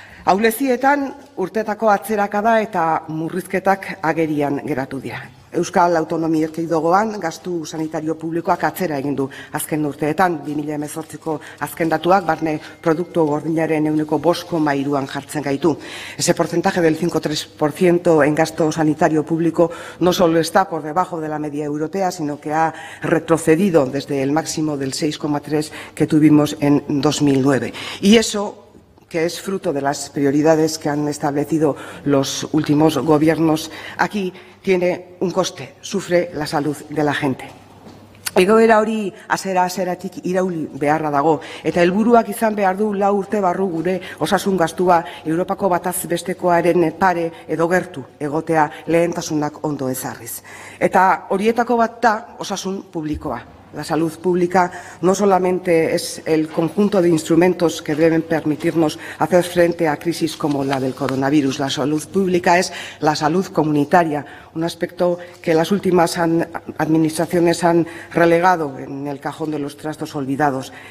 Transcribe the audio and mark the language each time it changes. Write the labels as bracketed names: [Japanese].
[Basque] Aulezietan urtetako atzerakada eta murrizketak agerian geratu dira. Euskal Autonomia Erkidegoan gastu sanitario publikoak atzera egin du azken urteetan 2018ko azken datuak barne produktu gordinaren 105,3%-an jartzen gaitu. [Spanish] Ese porcentaje del 5,3% en gasto sanitario público no solo está por debajo de la media europea, sino que ha retrocedido desde el máximo del 6,3 que tuvimos en 2009. Y eso que es fruto de las prioridades que han establecido los últimos gobiernos aquí tiene un coste, sufre la salud de la gente. [Basque] Egoera hori hasera-haseratik irauli beharra dago, eta helburuak izan behar du 4 urte barru gure osasun gastua Europako bataz bestekoaren pare edo gertu egotea lehentasunak ondo ezarriz. Eta horietako bat da osasun publikoa. [Spanish] La salud pública no solamente es el conjunto de instrumentos que deben permitirnos hacer frente a crisis como la del coronavirus. La salud pública es la salud comunitaria, un aspecto que las últimas administraciones han relegado en el cajón de los trastos olvidados.